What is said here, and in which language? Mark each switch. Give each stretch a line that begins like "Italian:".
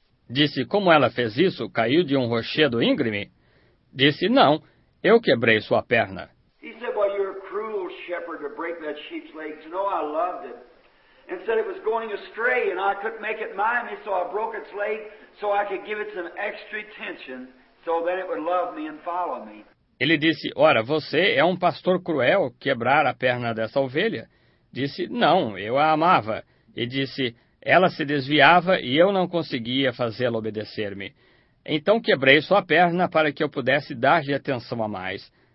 Portuguese: Disse, como ela fez isso? Caiu de um rochedo íngreme? Disse, não, eu quebrei sua perna.
English: He said, well, you're a cruel shepherd to break that sheep's legs. No, I loved it. And said it was going astray and I couldn't make it mind me, so I broke its leg so I could give it some extra attention so that it would love me and follow me.
Portuguese: Ele disse, ora, você é um pastor cruel quebrar a perna dessa ovelha? Disse, não, eu a amava. E disse, ela se desviava e eu não conseguia fazê-la obedecer-me. Então quebrei sua perna para que eu pudesse dar-lhe atenção a mais.